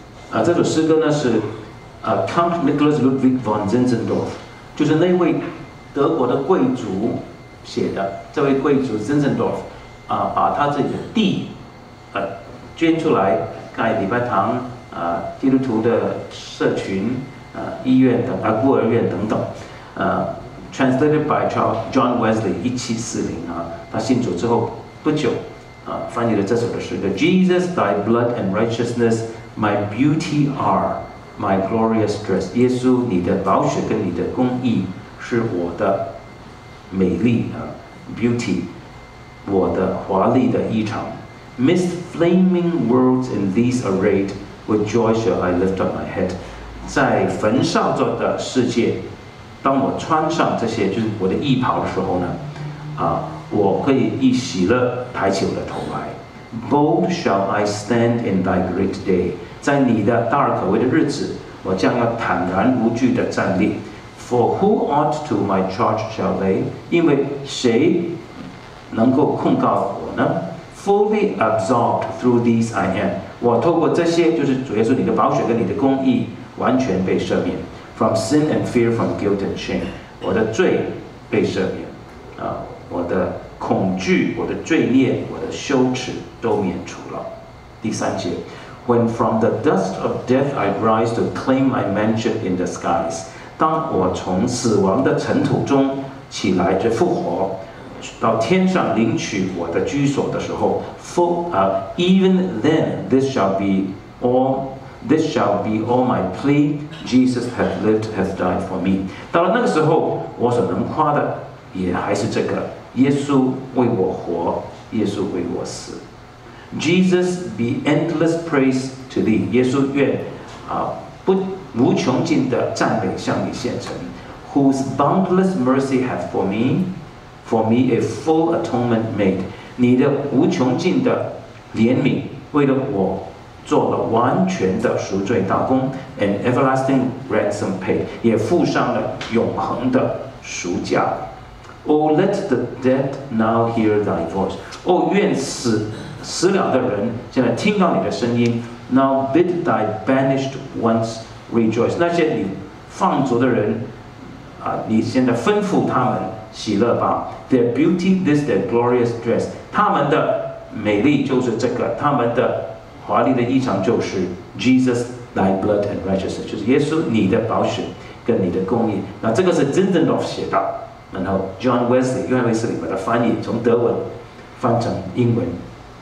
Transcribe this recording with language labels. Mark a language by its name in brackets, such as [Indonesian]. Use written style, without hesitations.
[Chinese] 啊，这首诗歌呢是啊 Count Nicholas Ludwig von Zinzendorf。就是那位德国的贵族写的，这位贵族 Zinzendorf 啊，把他自己的地啊捐出来盖礼拜堂啊、基督徒的社群啊、医院等啊、孤儿院等等啊。 [English] Translated by Charles John Wesley 1740啊， [Chinese] 他信主之后不久啊，翻译了这首的诗歌 [English] Jesus, Thy blood and righteousness, my beauty are. My glorious dress， [Chinese] 耶稣，你的宝血跟你的公义是我的美丽啊 ，beauty， 我的华丽的衣裳。 [English] Mist flaming worlds in these arrayed， with joy shall I lift up my head。 [Chinese] 在焚烧着的世界，当我穿上这些就是我的衣袍的时候呢，啊，我可以以喜乐抬起我的头来。 [English] Bold shall I stand in thy great day。 [Chinese] 在你的大而可畏的日子，我将要坦然无惧的站立。 [English] For who ought to my charge shall lay? [Chinese] 因为谁能够控告我呢 [English] ？Fully absolved through these I am. [Chinese] 我透过这些，就是主耶稣你的宝血跟你的公义，完全被赦免。 [English] From sin and fear, from guilt and shame. [Chinese] 我的罪被赦免，啊，我的恐惧、我的罪孽、我的羞耻都免除了。第三节。 [English] When from the dust of death I rise to claim my mansion in the skies， [Chinese] 当我从死亡的尘土中起来就复活，到天上领取我的居所的时候 [English] ，even then this shall be all my plea， Jesus hath lived hath died for me。 [Chinese] 到了那个时候，我所能夸的也还是这个，耶稣为我活，耶稣为我死。 [English] Jesus be endless praise to thee. [Chinese] 耶稣愿啊，不无穷尽的赞美向你献诚。 [English] Whose boundless mercy hath for me a full atonement made. [Chinese] 你的无穷尽的怜悯为了我做了完全的赎罪大功。 [English] An everlasting ransom paid. [Chinese] 也付上了永恒的赎价。 [English] Oh, let the dead now hear thy voice. [Chinese] 哦，愿死了的人现在听到你的声音。 [English] Now bid thy banished ones rejoice. [Chinese] 那些你放逐的人啊，你现在吩咐他们喜乐吧。 [English] Their beauty is their glorious dress. [Chinese] 他们的美丽就是这个，他们的华丽的衣裳就是 [English] Jesus thy blood and righteousness， [Chinese] 就是耶稣你的宝血跟你的公义。那这个是 Zinzendorf 写的，然后 John Wesley 约翰威斯里把它翻译从德文翻成英文。